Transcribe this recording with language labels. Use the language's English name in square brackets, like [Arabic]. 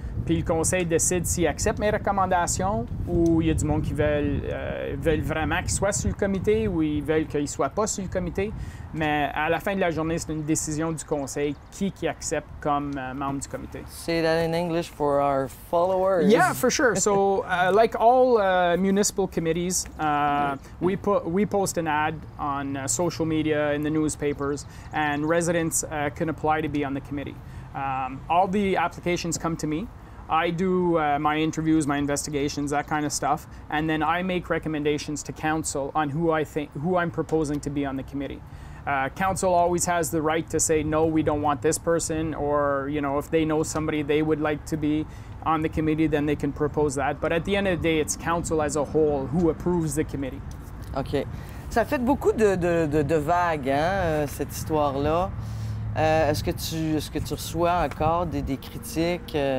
[French] Puis le conseil décide s'il accepte mes recommandations ou il y a du monde qui veulent vraiment qu'il soit sur le comité ou ils veulent qu'il ne soit pas sur le comité. Mais à la fin de la journée, c'est une décision du conseil qui accepte comme membre du comité. [English] Say that in English for our followers. Yeah, for sure. So, like all municipal committees, we post an ad on social media, in the newspapers, and residents can apply to be on the committee. All the applications come to me. I do my interviews, my investigations, that kind of stuff, and then I make recommendations to council on who I'm proposing to be on the committee. Council always has the right to say, no, we don't want this person, or you know, if they know somebody they would like to be on the committee, then they can propose that. But at the end of the day, it's council as a whole who approves the committee. Okay. [French] Ça fait beaucoup de vagues, hein, cette histoire-là. Est-ce que tu reçois encore des critiques?